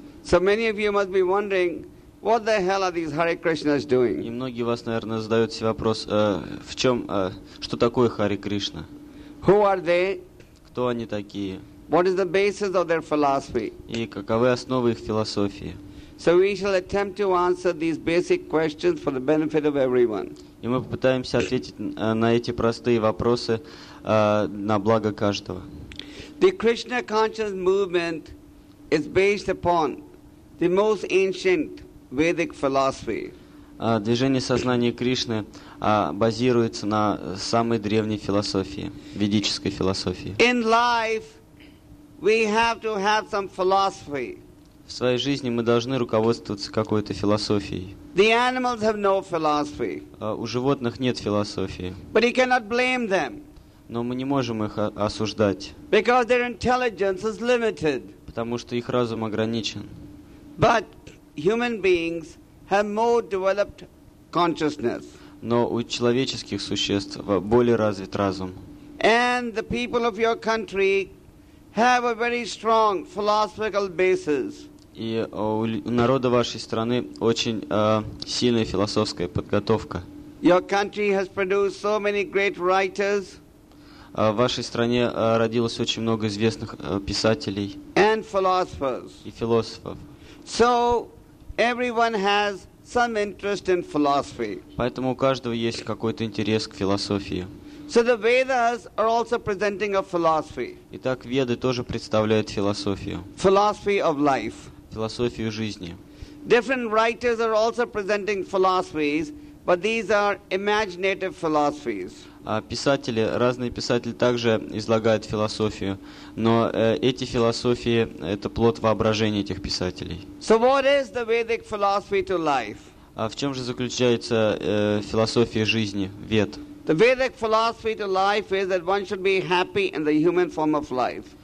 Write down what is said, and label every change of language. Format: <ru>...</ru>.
<en>So many of you must be wondering, what the hell are these Hare Krishnas doing?</en> <ru>И многие вас, наверное, задают себе вопрос, в чем, что такое Hare Krishna?</ru> <en>Who are they?</en> <ru>Кто они такие?</ru> <en>What is the basis of their philosophy?</en> <ru>И каковы основы их философии?</ru> <en>So we shall attempt to answer these basic questions for the benefit of everyone.</en> <ru>И мы попытаемся ответить на эти простые вопросы на благо каждого.</ru> <en>The Krishna consciousness movement is based upon the most ancient Vedic philosophy.</en> <ru>Движение сознания Кришны базируется на самой древней философии, ведической философии.</ru> <en>In life, we have to have some philosophy.</en> <ru>В своей жизни мы должны руководствоваться какой-то философией.</ru> <en>The animals have no philosophy.</en> <ru>У животных нет философии.</ru> <en>But you cannot blame them.</en> <ru>Но мы не можем их осуждать.</ru> <en>Because their intelligence is limited.</en> <ru>Потому что их разум ограничен.</ru> <en>But human beings have more developed consciousness.</en> <ru>Но у человеческих существ более развит разум.</ru> <en>And the people of your country have a very strong philosophical basis.</en> <ru>И у народа вашей страны очень сильная философская подготовка.</ru> <en>Your country has produced so many great writers.</en> <ru>В вашей стране родилось очень много известных писателей</ru> <en>and philosophers.</en> <ru>И философов.</ru> <en>So everyone has some interest in philosophy.</en> <ru>Поэтому у каждого есть какой-то интерес к философии.</ru> <en>So the Vedas are also presenting a philosophy.</en> <ru>Итак, Веды тоже представляют философию.</ru> <en>Philosophy of life.</en> <ru>Философию жизни.</ru> <en>Different writers are also presenting philosophies, but these are imaginative philosophies.</en> <ru>Писатели, разные писатели также излагают философию, но эти философии — это плод воображения этих писателей.</ru> <en>So what is the Vedic philosophy to life?</en> <ru>В чем же заключается философия жизни, Вед?</ru> <en>The Vedic philosophy to life is that one should be happy in the human form of life.</en>